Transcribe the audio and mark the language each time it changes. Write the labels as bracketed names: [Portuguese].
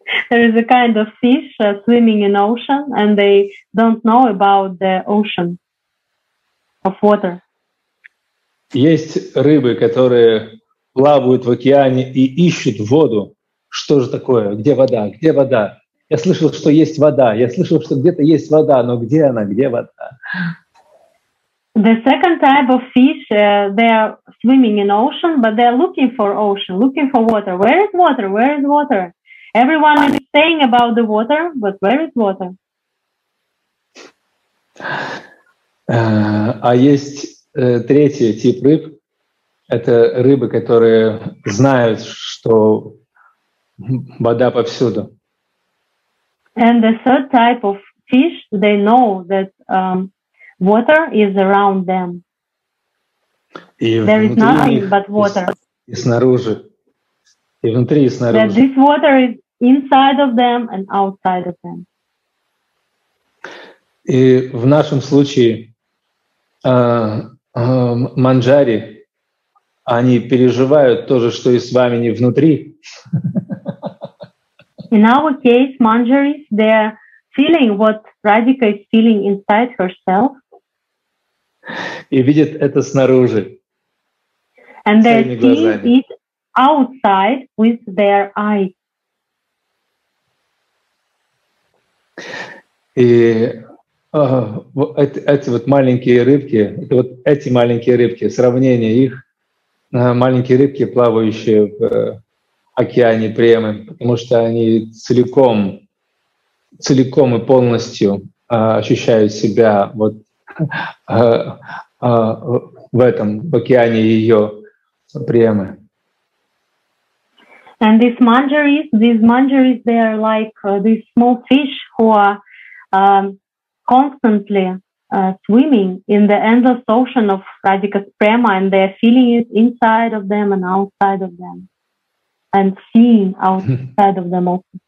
[English] There is a kind of fish swimming in ocean and they don't know about the ocean of water. [Russian] Есть рыбы, которые плавают в океане и ищут воду. Что же такое? Где вода? Где вода? Я слышал, что есть вода. Я слышал, что где-то есть вода, но где она? Где вода? [English] The second type of fish, they are swimming in ocean, but they are looking for ocean, looking for water. Where is water? Where is water? Everyone is saying about the water, but where is water? [Russian] А есть третий тип рыб — это рыбы, которые знают, что вода повсюду. [English] And the third type of fish, they know that water is around them. [Russian] И [English] there is nothing but water. [Russian] И снаружи. И внутри, и снаружи. [English] That this water is inside of them and outside of them. [Russian] И в нашем случае манджари, они переживают то же, что и с вами не внутри. [English] In our case, manjari, they're feeling what Radhika is feeling inside herself. [Russian] И видят это снаружи. [English] And they see it outside with their eyes. [Russian] И эти вот маленькие рыбки, сравнение их, маленькие рыбки, плавающие в океане премы, потому что они целиком и полностью ощущают себя вот в этом, в океане ее премы. [English] And these manjaris, they are like these small fish who are constantly swimming in the endless ocean of Radhika's prema, and they're feeling it inside of them and outside of them, and seeing outside of them also.